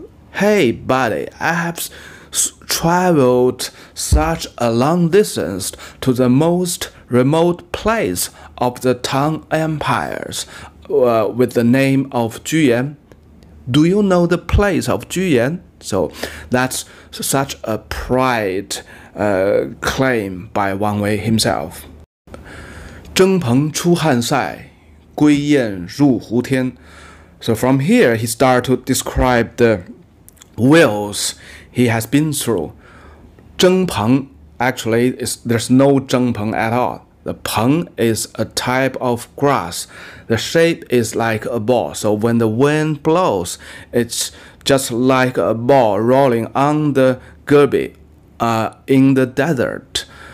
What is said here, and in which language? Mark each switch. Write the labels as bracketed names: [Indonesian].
[English] Hey, buddy, I have traveled such a long distance to the most remote place of the Tang Empires with the name of Juyan. Do you know the place of 居延?So that's such a pride claim by Wang Wei himself. [Chinese] 征蓬出汉塞，归雁入胡天。 [English] So from here, he start to describe the wheels he has been through. 征蓬 actually, there's no 征蓬 at all. The 蓬 is a type of grass. The shape is like a ball. So when the wind blows, it's just like a ball rolling on the Gobi in the desert.